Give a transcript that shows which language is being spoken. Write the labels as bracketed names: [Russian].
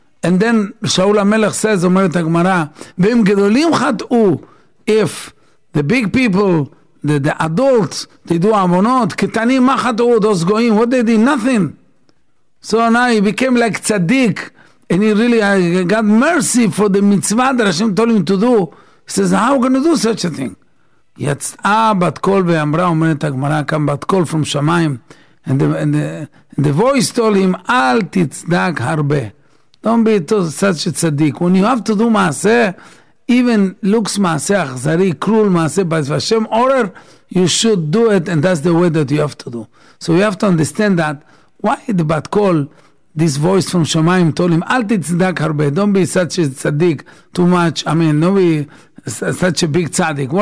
[English] And then Shaul HaMelech says, [Hebrew] אומרת הגמרא, ואם גדולים חטאו, [English] if the big people, the adults, they do avonot, [Hebrew] קטנים מה חטאו, [English] those going, what they did? Nothing. So now he became like tzaddik, and he really got mercy for the mitzvah that Hashem told him to do. He says, how are we going to do such a thing? [Hebrew] יצאה בת קול ואמרה, אומרת הגמרא, קם בת קול from שמיים, [English] and the voice told him, [Hebrew] אל תצדק הרבה. [English] Don't be such a tzaddik. When you have to do מעשה, even looks מעשה אכזרי, cruel מעשה, but if Hashem order, you should do it, and that's the way that you have to do. So you have to understand that, why the bat kol, this voice from Shemaim told him, [Hebrew] אל תצדק הרבה, [English] don't be such a tzaddik, too much, I mean, don't be such a big tzaddik.